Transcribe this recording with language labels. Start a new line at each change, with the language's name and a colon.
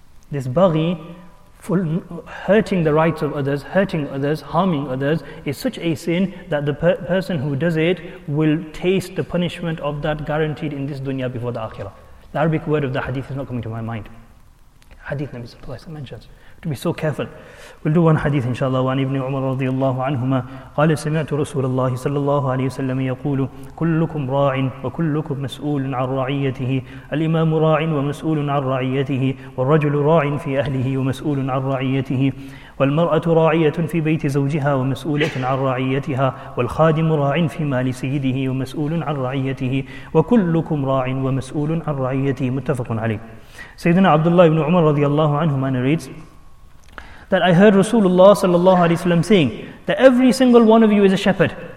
English: This Baghi, hurting the rights of others, hurting others, harming others, is such a sin that the person who does it will taste the punishment of that guaranteed in this dunya before the akhirah. The Arabic word of the hadith is not coming to my mind. Hadith Nabi sallallahu alayhi wa sallam mentions. To be so careful. We'll do one hadith inshallah.
Arabic: وعن ابن عمر رضي الله عنهما قال سمعت رسول الله صلى الله عليه وسلم يقول كلكم راع وكلكم مسؤول عن رعيته الإمام راع ومسؤول عن رعيته والرجل راع في أهله ومسؤول عن رعيته والمرأة راعية في بيت زوجها ومسؤولة عن رعيتها والخادم راع في مال سيده ومسؤول عن رعيته وكلكم راع ومسؤول عن رعيته متفق عليه. سيدنا عبد الله بن عمر رضي الله عنهما
English: narrates that I heard Rasulullah sallallahu alayhi wa sallam saying that every single one of you is a shepherd.